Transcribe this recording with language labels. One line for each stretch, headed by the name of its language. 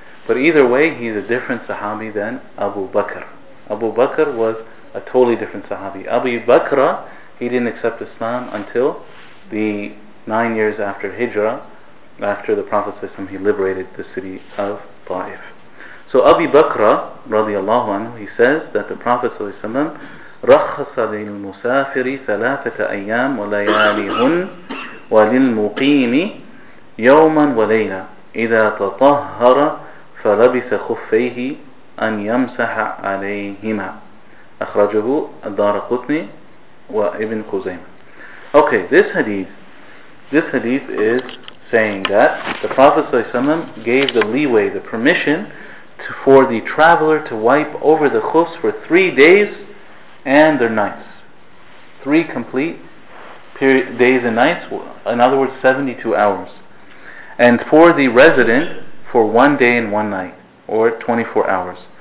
English: But either way, he's a different Sahabi than Abu Bakr. Abu Bakr was a totally different Sahabi. Abu Bakr, he didn't accept Islam until the 9 years after Hijrah, after the Prophet ﷺ, he liberated the city of Ta'if. So Abu Bakr, radiallahu anhu, he says that the Prophet ﷺ,
Arabic: رَخَّصَ لِلْمُسَافِرِ ثَلَاثَةَ أَيَّامٍ وَلَيَالِهُنْ وَلِلْمُقِيمِ يوما وليلة إذا تطهر فلبس خفيه أن يمسح عليهما أخرجه الدارقطني وابن خزيمة.
English: Okay, this hadith is saying that the Prophet ﷺ gave the leeway, the permission to, for the traveler to wipe over the khufs for 3 days and their nights, three complete days and nights, in other words 72 hours, and for the resident for 1 day and one night, or 24 hours.